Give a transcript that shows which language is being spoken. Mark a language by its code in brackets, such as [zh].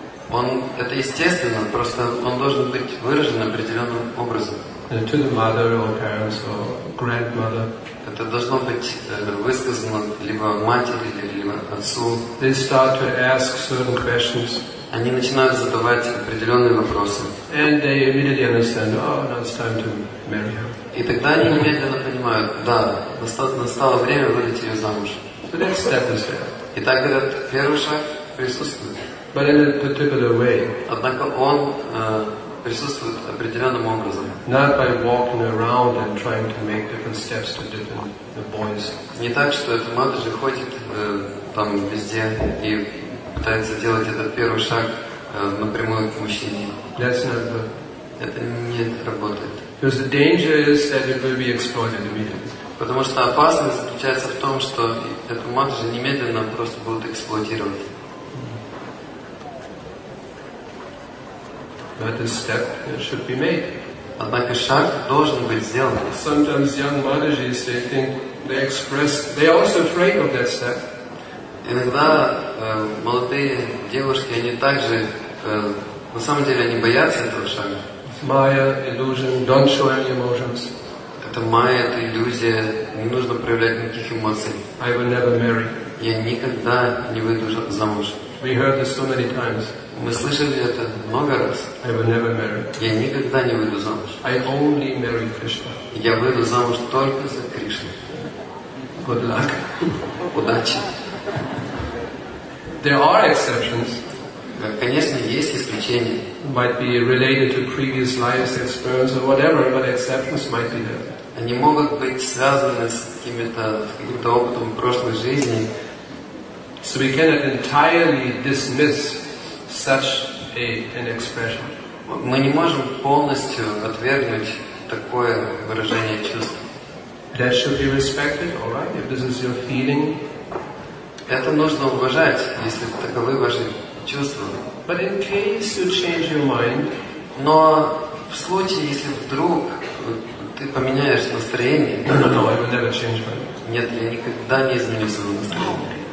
[ru] Он, это естественно, просто он должен быть выражен определенным образом. [en] To the mother or parents or grandmother. [ru] Это должно быть высказано либо матери, либо отцу. [en] They start to ask certain questions. [ru] Они начинают задавать определенные вопросы. [en] And they immediately understand, oh, now it's time to marry her. [ru] И тогда они немедленно понимают, да, настало время выдать ее замуж. [en] So that step is there. [ru] И так этот первый шаг присутствует. [en] But in a particular way. [ru] Однако он присутствует определенным образом. [en] Not by walking around and trying to make different steps to different the boys. [ru] Не так, что эта матушка ходит там везде и пытается делать этот первый шаг напрямую к мужчине. [en] That's not the... [ru] Это не работает. [en] Because the danger is that it will be exploited immediately. [ru] Потому что опасность заключается в том, что эту матушку немедленно просто будут эксплуатировать. [en] But a step should be made. [ru] Однако шаг должен быть сделан. [en] Sometimes young Madhijis, they think, they express, they're also afraid of that step. [ru] Иногда молодые девушки, они также, на самом деле, они боятся этого шага. [en] Maya, illusion, don't show any emotions. [ru] Это майя, это иллюзия, не нужно проявлять никаких эмоций. [en] I will never marry. [ru] Я никогда не выйду замуж. [en] We heard this so many times. [ru] Мы слышали это много раз. [en] I will never marry. [ru] Я никогда не выйду замуж. [en] I only marry Krishna. [ru] Я выйду замуж только за Кришну. [en] Good luck. [ru] Удачи. [en] There are exceptions. [ru] Конечно, есть исключения. [en] Might be related to previous lives, experience or whatever, but exceptions might be there. [ru] Они могут быть связаны с каким-то опытом прошлой жизни. [en] So we cannot entirely dismiss such an expression. [ru] Мы не можем полностью отвергнуть такое выражение чувств. [en] That should be respected, all right, if this is your feeling. [ru] Это нужно уважать, если таковы ваши чувства. [en] But in case you change your mind, [ru] но в случае, если вдруг ты поменяешь настроение, [en] no, I will never change my mind. [ru] Нет, я никогда не изменю своего настроения.